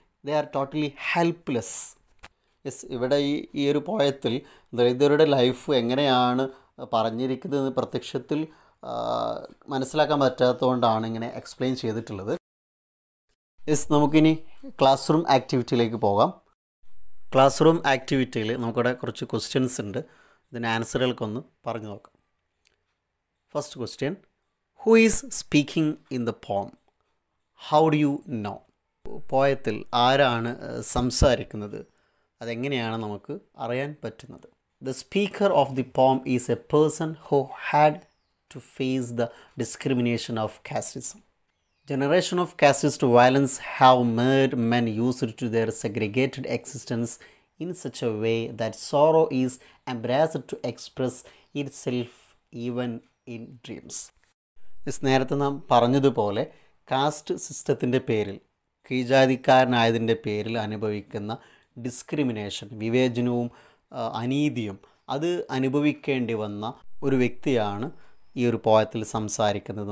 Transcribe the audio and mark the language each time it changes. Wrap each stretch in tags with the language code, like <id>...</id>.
<en>They are totally helpless.</en> <ml>Yes, ഇവിടെ ഈ ഒരു പോയത്തിൽ ദളിതരുടെ ലൈഫ് എങ്ങനെയാണ് പറഞ്ഞിരിക്കുന്നതെന്ന് പ്രത്യക്ഷത്തിൽ മനസ്സിലാക്കാൻ പറ്റാത്തത് കൊണ്ടാണ് ഇങ്ങനെ എക്സ്പ്ലെയിൻ ചെയ്തിട്ടുള്ളത്. യെസ്, നമുക്കിനി ക്ലാസ് റൂം ആക്ടിവിറ്റിയിലേക്ക് പോകാം. ക്ലാസ് റൂം ആക്ടിവിറ്റിയിൽ നമുക്കിവിടെ കുറച്ച് ക്വസ്റ്റ്യൻസ് ഉണ്ട്. ഇതിൻ്റെ ആൻസറുകൾക്ക് ഒന്ന് പറഞ്ഞു നോക്കാം.</ml> <en>First question: Who is speaking in the poem? How do you know?</en> <ml>പോയത്തിൽ ആരാണ് സംസാരിക്കുന്നത്, അതെങ്ങനെയാണ് നമുക്ക് അറിയാൻ പറ്റുന്നത്?</ml> <en>The speaker of the poem is a person who had to face the discrimination of casteism. Generation of casteist violence have made men used to their segregated existence in such a way that sorrow is embraced to express itself even in dreams.</en> <ml>Is നേരത്തെ നാം പറഞ്ഞതുപോലെ cast സിസ്റ്റത്തിൻ്റെ പേരിൽ, കീഴ്ജാതിക്കാരനായതിൻ്റെ പേരിൽ അനുഭവിക്കുന്ന discrimination, വിവേചനവും അനീതിയും, അത് അനുഭവിക്കേണ്ടി വന്ന ഒരു വ്യക്തിയാണ് ഈ ഒരു പോയത്തിൽ സംസാരിക്കുന്നത്.</ml>